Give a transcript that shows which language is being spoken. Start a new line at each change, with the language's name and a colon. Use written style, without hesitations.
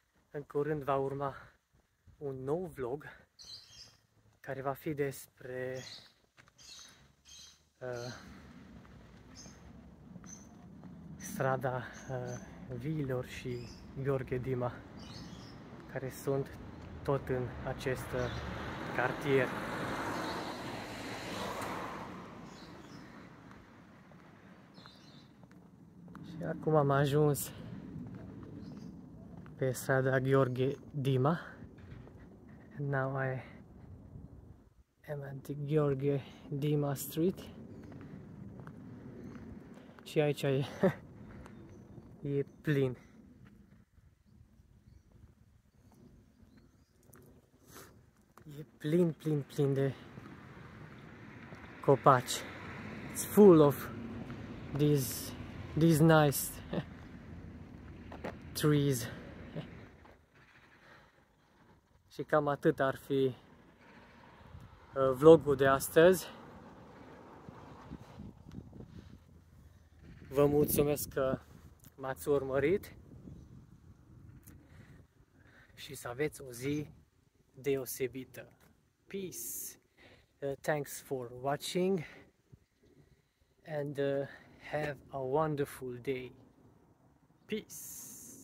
Romanian: În curând va urma un nou vlog care va fi despre strada Viilor și Gheorghe Dima, care sunt tot în acest cartier. Și acum am ajuns pe strada Gheorghe Dima.
English: Now I am at the Gheorghe Dima Street.
Romanian: Și aici e plin. plin, plin, plin de copaci.
English: It's full of these nice trees.
Romanian: Și cam atât ar fi vlogul de astăzi. Vă mulțumesc că m-ați urmărit și să aveți o zi deosebită.
English: Peace. Thanks for watching and have a wonderful day. Peace.